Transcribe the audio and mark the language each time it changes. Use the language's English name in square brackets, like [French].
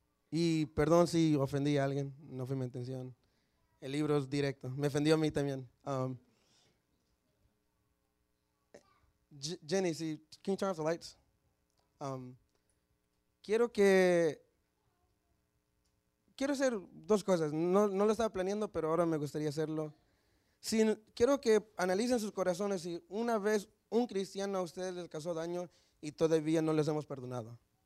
[Spanish] Y perdón si ofendí a alguien, no fue mi intención. El libro es directo, me ofendió a mí también. [English] Jenny, can you turn off the lights? [Spanish] Quiero hacer dos cosas, no lo estaba planeando, pero ahora me gustaría hacerlo. Quiero que analicen sus corazones si una vez un cristiano a ustedes les causó daño y todavía no les hemos perdonado.